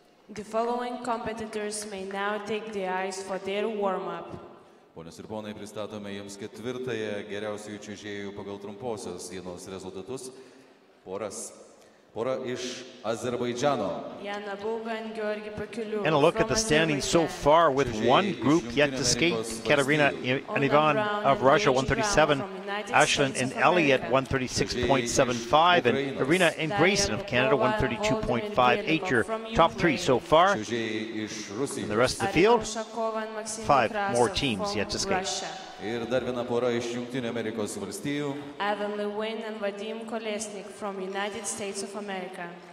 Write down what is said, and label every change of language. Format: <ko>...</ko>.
<en>The following competitors may now take the ice for their warm-up.</en> <lt>Ponios ir ponai, pristatome jums ketvirtąją geriausiųjų čiuožėjų pagal trumposios dienos rezultatus. Poras. Pora iš Azerbaidžano.</lt> <en>Jana Buga and Georgi Pakiliu. And a look at the standing so far with one group yet to skate. Katerina and Ivan of Russia, 137. Ashlyn and Elliot, 136.75. And Irina and Grayson of Canada, 132.58. Your top three so far. And the rest of the field, five more teams yet to skate.</en> <lt>Ir dar viena pora iš Jungtinių Amerikos valstijų.</lt> <en>Evan Lewin and Vadim Kolesnik from United States of America.</en>